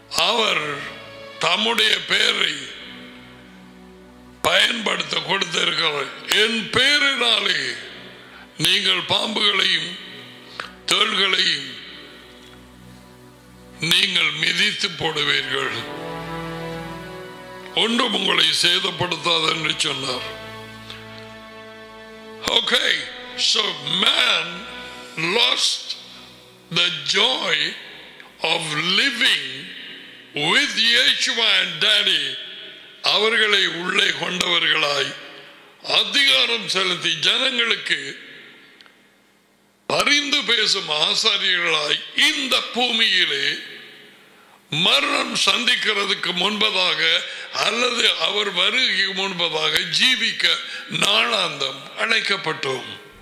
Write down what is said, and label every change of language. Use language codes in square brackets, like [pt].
[ta] அவர் தம்முடைய பெயரை பயன்படுத்த கொடுத்திருக்கிற என் பெயரினாலே நீங்கள் பாம்புகளையும் தேள்களையும் நீங்கள் மிதித்து போடுவீர்கள், ஒன்றும் உங்களை சேதப்படுத்தாது என்று சொன்னார். [en] Okay, so man lost the joy of living with Yeshua and Daddy. [ta] அவர்களை உள்ளே கொண்டவர்களாய் அதிகாரம் செலுத்தி ஜனங்களுக்கு பரிந்து பேசும் ஆசாரியர்களாய் இந்த பூமியிலே மரணம் சந்திக்கிறதுக்கு முன்பதாக அல்லது அவர் வருகைக்கு முன்பதாக ஜீவிக்க நாளாந்தம் அழைக்கப்பட்டோம்.